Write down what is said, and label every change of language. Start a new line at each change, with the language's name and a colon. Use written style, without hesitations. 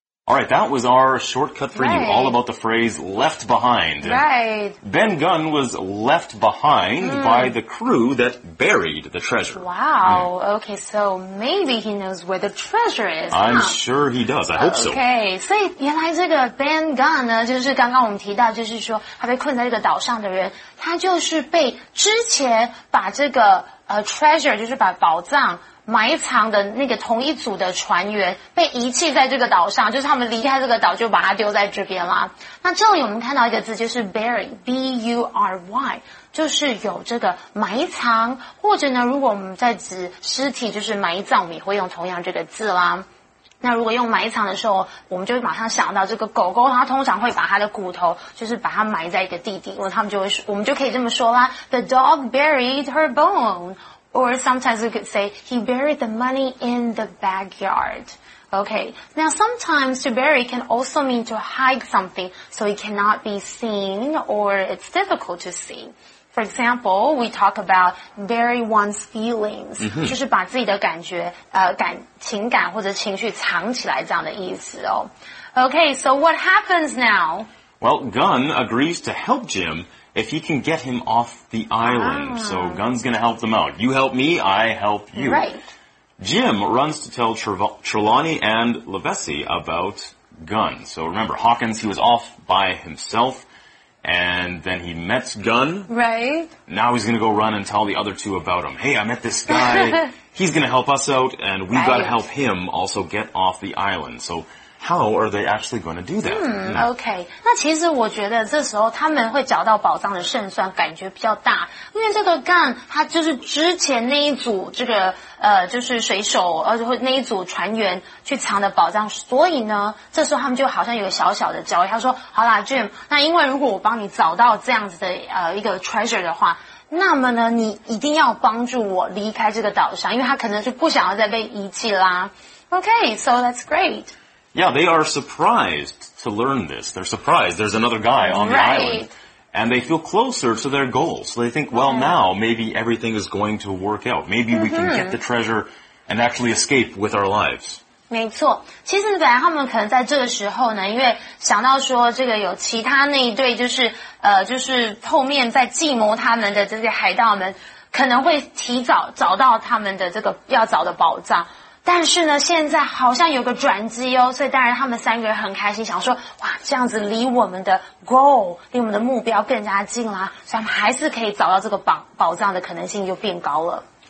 English: All right, that was our shortcut for you, all about the phrase left behind. Right. Ben Gunn was left behind by the crew that buried the treasure. Wow. Okay, so maybe he knows where the treasure is. I'm sure he does. I hope so.
Chinese: Okay, 所以原来这个 Ben Gunn 呢，就是刚刚我们提到，就是说他被困在这个岛上的人，他就是被之前把这个treasure， 就是把宝藏埋藏的那个同一组的船员被遗弃在这个岛上，就是他们离开这个岛就把它丢在这边啦。那这里我们看到一个字就是 bury, B-U-R-Y, 就是有这个埋藏，或者呢如果我们在指尸体就是埋葬，我们也会用同样这个字啦。那如果用埋藏的时候，我们就会马上想到这个狗狗，它通常会把它的骨头就是把它埋在一个地底，他们就会我们就可以这么说啦，
English: The dog buried her bone. Or sometimes we could say, he buried the money in the backyard. Okay, now sometimes to bury can also mean to hide something so it cannot be seen or it's difficult to see. For example, we talk about bury one's feelings,、mm-hmm.
Chinese: 就是把自己的感觉、感情感或者情绪藏起来这样的意思哦。
English: Okay, so what happens now? Well, Gunn agrees to help Jim. If he can get him off the island. So Gunn's going to help them out. You help me, I help you. Right. Jim runs to tell Trelawney and Lavesi about Gunn. So remember, Hawkins, he was off by himself. And then he met Gunn. Right. Now he's going to go run and tell the other two about him. Hey, I met this guy. He's going to help us out. And we've got to help him also get off the island. So... How are they actually going to do that? Okay.
Chinese: 那其实我觉得这时候他们会找到宝藏的胜算感觉比较大。因为这个 Gunn, 他就是之前那一组这个就是水手那一组船员去藏的宝藏。所以呢这时候他们就好像有个小小的交易。他说好啦 ,Jim, 那因为如果我帮你找到这样子的一个 treasure 的话那么呢你一定要帮助我离开这个岛上因为他可能就不想要再被遗弃啦。
English: Okay, so that's great. Yeah, they are surprised to learn this. They're surprised there's another guy on the island. And they feel closer to their goal. So they think, well, now maybe everything is going to work out. Maybe we can get the treasure and actually escape with our lives.
Chinese: 没错，其实本来他们可能在这个时候呢，因为想到说这个有其他那一对就是就是后面在计谋他们的这些海盗们，可能会提早找到他们的这个要找的宝藏。但是呢现在好像有个转机哦所以当然他们三个人很开心想说哇这样子离我们的 goal, 离我们的目标更加近啦所以他们还是可以找到这个 宝藏的可能性就变高了。